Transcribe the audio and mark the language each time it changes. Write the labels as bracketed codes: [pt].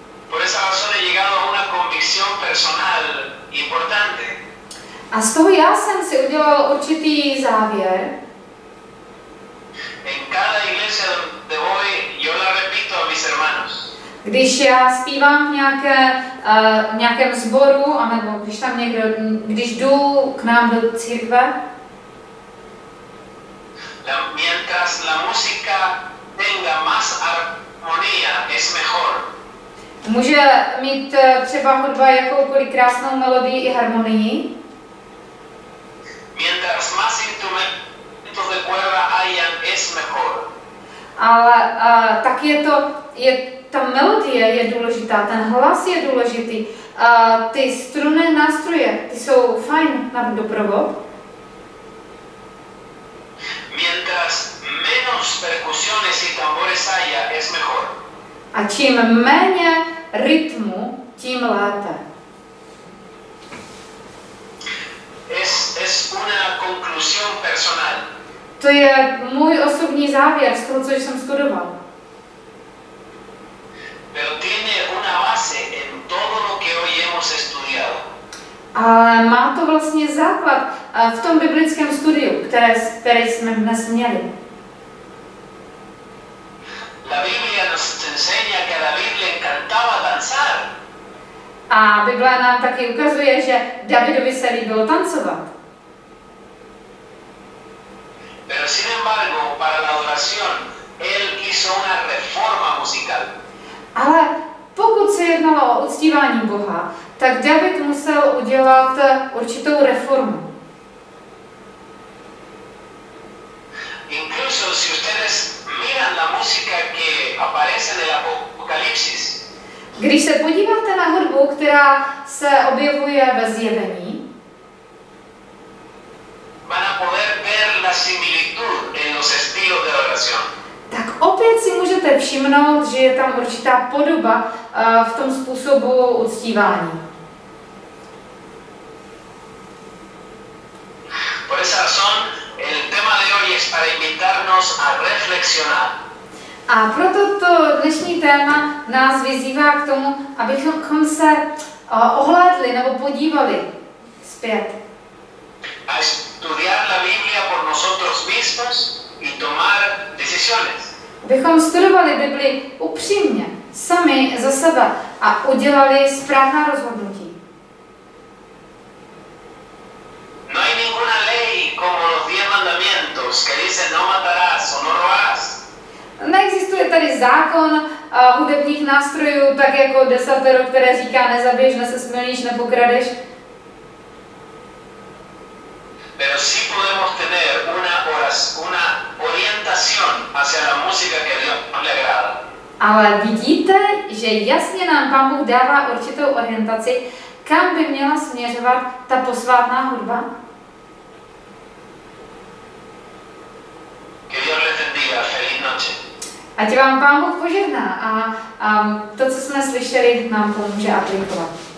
[es] Por esa razón he llegado a una convicción personal importante. [cs] A z toho já jsem si udělal určitý závěr. [es] En cada iglesia donde voy, yo la repito a mis hermanos. [cs] Když já zpívám v nějakém sboru, anebo když tam někdo, když jdu k nám do církve, [es] mientras la música tenga más armonía, es mejor. [cs] Může mít třeba hudba jakoukoliv krásnou melodii i harmonii? [es] Mientras más instrumentos de cuerda hayan, es mejor. [cs] Ale tak je to, je, ta melodie je důležitá, ten hlas je důležitý. Ty strunné nástroje, ty jsou fajn na doprovod. [es] Mientras menos percusiones y tambores haya, es mejor. [cs] A čím méně rytmu, tím lépe. [es] Es una conclusión personal. [cs] To je můj osobní závěr z toho, co jsem studoval. [es] Pero tiene una base en todo lo que hoy hemos estudiado. [cs] Ale má to vlastně základ v tom biblickém studiu, které jsme dnes měli. [es] La Biblia nos enseña que a David le encantaba danzar. [cs] A Biblia nám taky ukazuje, že Davidovi se líbilo tancovat. [es] Pero sin embargo, para la adoración, él hizo una reforma musical. [cs] Ale pokud se jednalo o uctívání Boha, tak David musel udělat určitou reformu. [es] Incluso si ustedes miran la música que aparece en el Apocalipsis. [cs] Když se podíváte na hudbu, která se objevuje ve zjevení, [es] van a poder ver la similitud en los estilos de oración. [cs] Tak opět si můžete všimnout, že je tam určitá podoba v tom způsobu uctívání. [es] Por esa razón, el tema de hoy es para invitarnos a reflexionar. [cs] A proto to dnešní téma nás vyzývá k tomu, abychom se ohlédli nebo podívali zpět. [es] A estudiar la Biblia por nosotros mismos y tomar decisiones. [cs] Abychom studovali Bibli upřímně, sami za sebe a udělali správná rozhodnutí. [es] No hay ninguna ley como los 10 mandamientos que dice no matarás o no robarás. [cs] Neexistuje tady zákon hudebních nástrojů, tak jako desatero, které říká nezabiješ, nesesmilníš, nepokradeš. [es] Pero sí podemos tener una orientación hacia la música que Dios le agrada. [cs] Ale vidíte, že jasně nám Pán Bůh dává určitou orientaci, kam by měla směřovat ta posvátná hudba? [es] Que Dios les bendiga, feliz noche. [cs] Ať vám Pán Bůh požehná a to, co jsme slyšeli, nám pomůže aplikovat.